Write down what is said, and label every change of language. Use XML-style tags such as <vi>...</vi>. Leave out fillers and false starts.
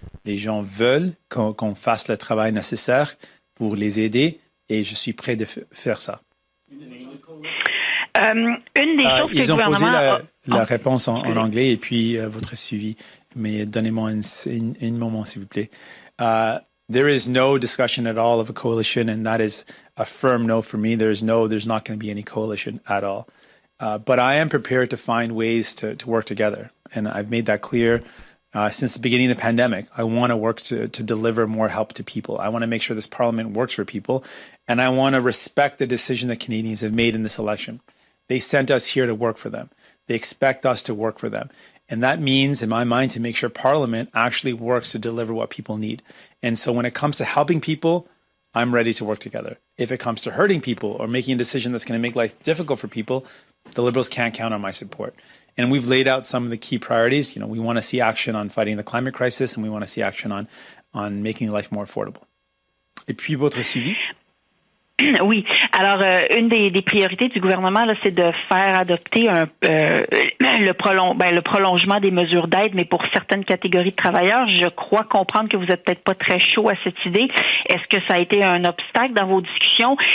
<fr>Les gens veulent qu'on fasse le travail nécessaire pour les aider. Et je suis prêt de faire ça. Ils ont posé la réponse en anglais et puis votre suivi. Mais donnez-moi un moment, s'il vous plaît.</fr> <en>There is no discussion at all of a coalition, and that is a firm no for me. There's not going to be any coalition at all. But I am prepared to find ways to work together. And I've made that clear since the beginning of the pandemic. I want to work to deliver more help to people. I want to make sure this parliament works for people. And I want to respect the decision that Canadians have made in this election. They sent us here to work for them. They expect us to work for them. And that means, in my mind, to make sure Parliament actually works to deliver what people need. And so when it comes to helping people, I'm ready to work together. If it comes to hurting people or making a decision that's going to make life difficult for people, the Liberals can't count on my support. And we've laid out some of the key priorities. You know, we want to see action on fighting the climate crisis, and we want to see action on making life more affordable.</en> <fr>Et puis votre suivi? Oui. Alors, une des priorités du gouvernement, là, c'est de faire adopter le prolongement des mesures d'aide, mais pour certaines catégories de travailleurs. Je crois comprendre que vous êtes peut-être pas très chaud à cette idée. Est-ce que ça a été un obstacle dans vos discussions?</fr>